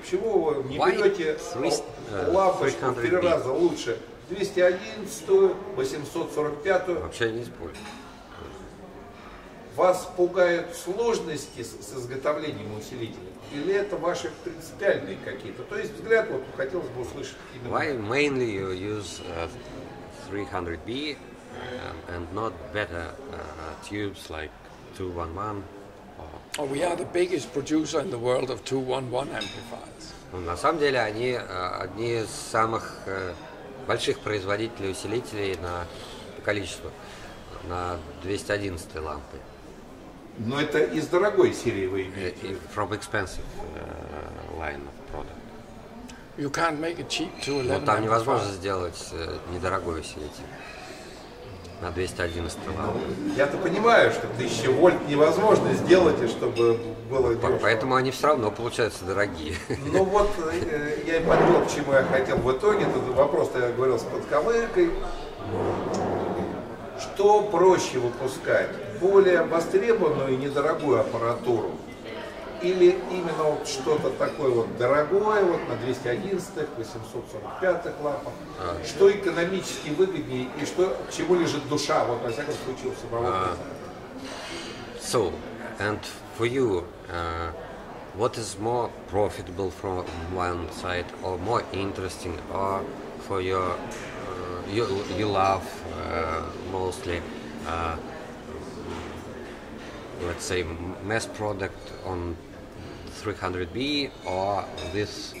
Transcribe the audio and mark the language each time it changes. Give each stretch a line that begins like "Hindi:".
Russian: Почему вы не
English: Why
Russian: берете лапочку в три раза лучше? 211-ю, 845-ю? Вообще не использую. Вас пугают сложности с изготовлением усилителя? Или это ваши принципиальные какие-то? То есть взгляд вот хотелось бы услышать. Именно.
English: Why mainly you use 300B and not better tubes like 211 or... Oh, we are the biggest producer in the world of 211 amplifiers.
Russian: На самом деле они одни из самых больших производителей усилителей на количество, на 211 лампы. Но это из дорогой серии вы имеете?
English: From expensive line of product. You can't make a cheap 211.
Russian: Там невозможно сделать недорогой усилитель на 211 лампы. Я-то понимаю, что 1000 вольт невозможно сделать, и чтобы было дешево. Поэтому они все равно получаются дорогие. Ну вот я и подвел, к чему я хотел в итоге. Тут вопрос-то я говорил с подковыркой. Что проще выпускать? Более востребованную и недорогую аппаратуру? Или именно вот что-то такое вот дорогое, вот на 211-х, 845-х лапах, что экономически выгоднее и что, к чему лежит душа, вот во всяком случае, у самого
English: And for you, what is more profitable from one side, or more interesting, or for your, you love mostly, let's say, mass product on 300B or this